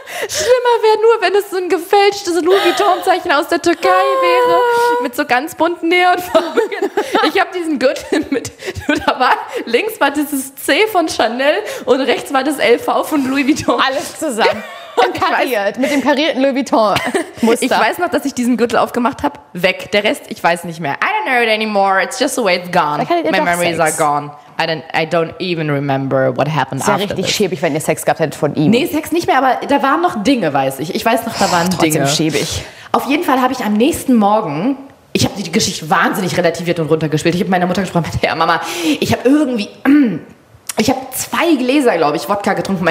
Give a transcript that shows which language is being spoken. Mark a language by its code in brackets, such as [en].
[de] Schlimmer wäre nur, wenn es so ein gefälschtes Louis Vuitton-Zeichen aus der Türkei wäre, mit so ganz bunten Neonfarben. Ich habe diesen Gürtel mit, da war, links war dieses C von Chanel und rechts war das LV von Louis Vuitton. Alles zusammen. Und kariert, mit dem karierten Louis Vuitton-Muster. Ich weiß noch, dass ich diesen Gürtel aufgemacht habe, weg. Der Rest, ich weiß nicht mehr. [en] I don't know it anymore, it's just the way it's gone. My memories Sex. Are gone. I don't even remember what happened after this. [de] Das wäre richtig schäbig, wenn ihr Sex gehabt hättet von ihm. Nee, Sex nicht mehr, aber da waren noch Dinge, weiß ich. Ich weiß noch, da waren trotzdem Dinge. Trotzdem schäbig. Auf jeden Fall habe ich am nächsten Morgen, ich habe die Geschichte wahnsinnig relativiert und runtergespielt. Ich habe meiner Mutter gesprochen, ja, Mama, ich habe irgendwie, ich habe 2 Gläser, glaube ich, Wodka getrunken.